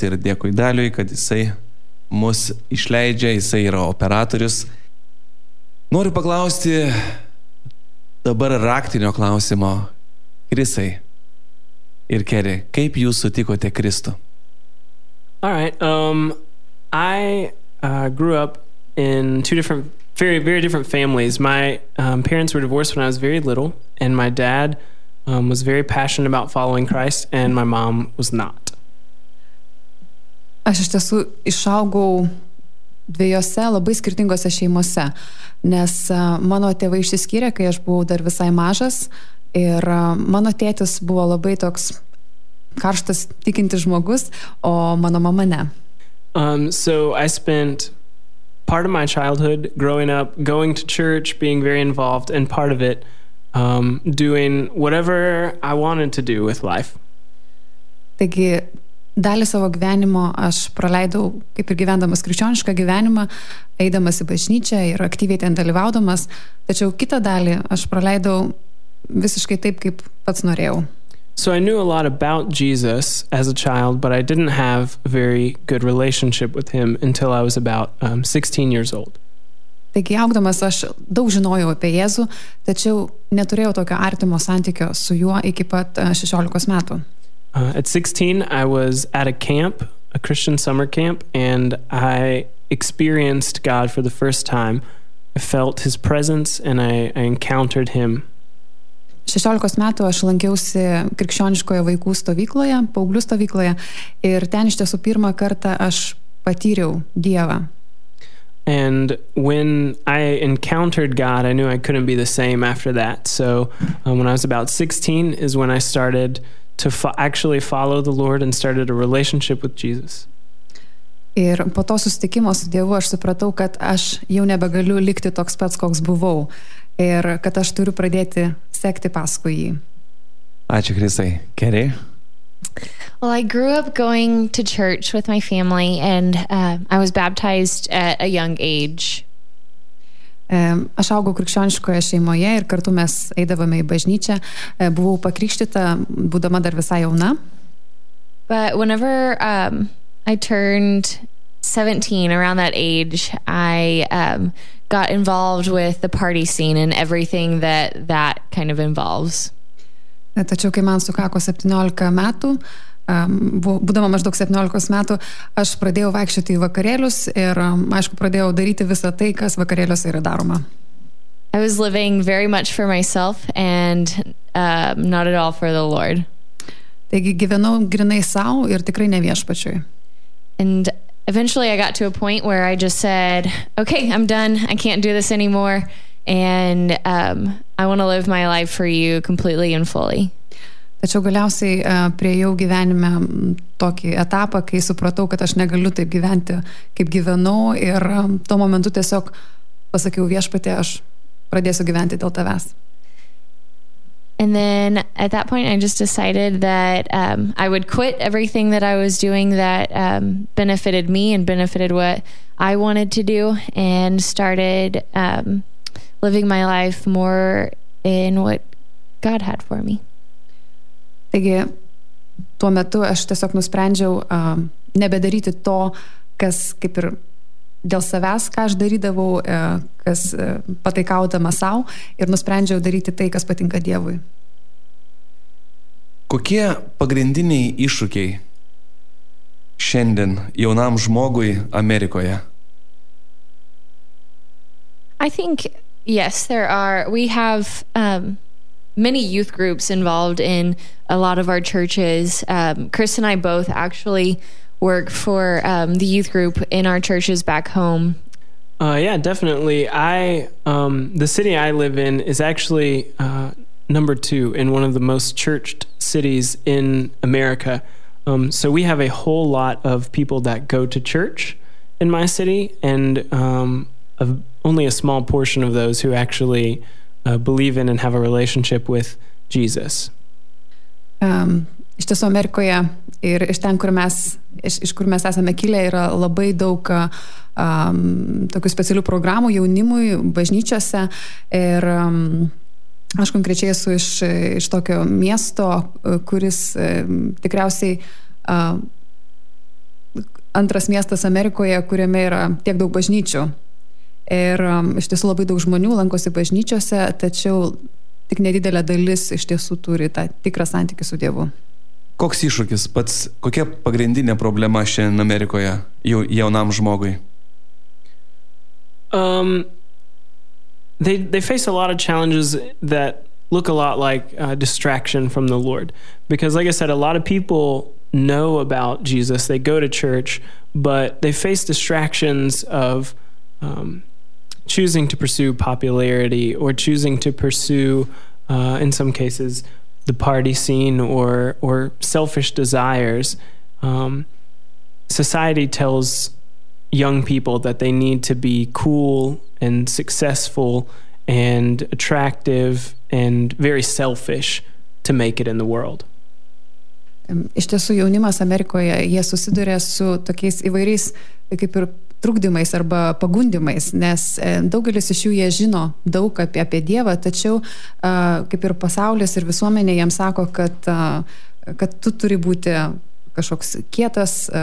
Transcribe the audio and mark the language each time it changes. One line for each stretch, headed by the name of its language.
Lithuanian: Ir dėkui Daliui, kad jisai mus išleidžia, jisai yra operatorius. Noriu paklausti dabar raktinio klausimo. Chrisai ir Kerė, kaip jūs sutikote Kristų?
English: All right. I grew up in two different, very, very different families. My parents were divorced when I was very little, and my dad was very passionate about following Christ, and my mom was not.
Lithuanian: Aš iš tiesų išaugau dviejose labai skirtingose šeimose, nes mano tėvai išsiskyrė, kai aš buvau dar visai mažas, ir mano tėtis buvo labai toks karštas tikintis žmogus, o mano mama ne.
English: So I spent part of my childhood growing up, going to church, being very involved, and part of it doing whatever I wanted to do with life.
Lithuanian: Taigi, dalį savo gyvenimo aš praleidau, kaip ir gyvendamas krikščionišką gyvenimą, eidamas į bažnyčią ir aktyviai ten dalyvaudamas, tačiau kitą dalį aš praleidau visiškai taip, kaip pats norėjau.
English: So I knew a lot about Jesus as a child, but I didn't have a very good relationship with him until I was about 16 years old.
Lithuanian: Taigi, augdamas, aš daug žinojau apie Jėzų, tačiau neturėjau tokio artimo santykio su juo iki pat 16 metų.
English: At 16, I was at a camp, a Christian summer camp, and I experienced God for the first time. I felt his presence, and I encountered him.
Lithuanian: 16 metų aš lankiausi krikščioniškoje vaikų stovykloje, paauglių stovykloje, ir ten iš tiesų pirmą kartą aš patyriau Dievą.
English: And when I encountered God, I knew I couldn't be the same after that. So when I was about 16 is when I started to actually follow the Lord and started a relationship with Jesus.
Lithuanian: Ir po to susitikimo su Dievu aš supratau, kad aš jau nebegaliu likti toks pats, koks buvau, ir kad aš turiu pradėti sekti paskui jį. Ačiū, Chrisai. Kerė?
English: Well, I grew up going to church with my family, and I was baptized at a young age.
Lithuanian: Aš augau krikščioniškoje šeimoje ir kartu mes eidavome į bažnyčią. Buvau pakrikštyta, būdama dar visai jauna.
English: But whenever I turned 17, around that age, I got involved with the party scene and everything that that kind of involves.
Lithuanian: Tačiau, kai man sukako 17 metų, būdama maždaug 17 metų, aš pradėjau vaikščioti į vakarėlius ir, aišku, pradėjau daryti visą tai, kas vakarėliuose yra daroma.
English: I was living very much for myself and not at all for the Lord.
Lithuanian: Taigi, gyvenau grinai sau ir tikrai ne Viešpačiui.
English: And eventually I got to a point where I just said, okay, I'm done, I can't do this anymore, and I want to live my life for you completely and fully.
Lithuanian: Tačiau galiausiai priejau gyvenime tokį etapą, kai supratau, kad aš negaliu taip gyventi, kaip gyvenau, ir tuo momentu tiesiog pasakiau Viešpatie, aš pradėsiu gyventi dėl tavęs.
English: And then at that point I just decided that I would quit everything that I was doing that benefited me and benefited what I wanted to do, and started living my life more in what God had for me.
Lithuanian: Taigi, tuo metu aš tiesiog nusprendžiau nebedaryti to, kas kaip ir dėl savęs, ką aš darydavau, kas pataikaudama sau, ir nusprendžiau daryti tai, kas patinka Dievui. Kokie pagrindiniai iššūkiai šiandien jaunam žmogui Amerikoje?
English: I think, yes, there are. We have many youth groups involved in a lot of our churches. Chris and I both actually work for the youth group in our churches back home. Yeah, definitely. The city I live in is actually number two in one of the most churched cities in America. So we have a whole lot of people that go to church in my city, and only a small portion of those who actually believe in and have a relationship with Jesus.
Lithuanian: Iš tiesų Amerikoje ir iš ten, kur mes, iš kur mes esame kilę, yra labai daug tokių specialių programų jaunimui bažnyčiose, ir aš konkrečiai esu iš tokio miesto, kuris tikriausiai antras miestas Amerikoje, kuriame yra tiek daug bažnyčių. Ir iš tiesų labai daug žmonių lankosi bažnyčiose, tačiau tik nedidelė dalis iš tiesų turi tą tikrą santykį su Dievu. Koks iššūkis pats, kokia pagrindinė problema šiandien Amerikoje jaunam žmogui?
English: They face a lot of challenges that look a lot like distraction from the Lord. Because like I said, a lot of people know about Jesus, they go to church, but they face distractions of choosing to pursue popularity, or choosing to pursue, in some cases, the party scene, or selfish desires. Society tells young people that they need to be cool and successful and attractive and very selfish to make it in the world.
Lithuanian: Iš tiesų, jaunimas Amerikoje, jie susiduria su tokiais įvairiais, kaip ir trukdymais arba pagundimais, nes daugelis iš jų jie žino daug apie Dievą, tačiau kaip ir pasaulis ir visuomenė jiems sako, kad tu turi būti kažkoks kietas,